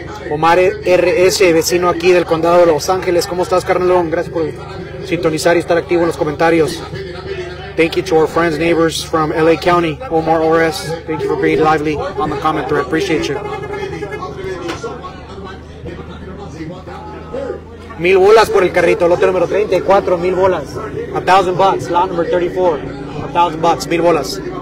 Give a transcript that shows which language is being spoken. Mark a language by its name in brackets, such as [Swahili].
[Spanish] Omar RS, vecino aquí del condado de Los Ángeles. ¿Cómo estás, carnalón? Gracias por sintonizar y estar activo en los comentarios. [English] Thank you to our friends, neighbors from LA County, Omar RS. Thank you for being lively on the comment thread. Appreciate you. [Spanish] Mil bolas por el carrito, lote número 34, mil bolas. $1,000, [English] lot number 34. [Spanish] $1,000, mil bolas.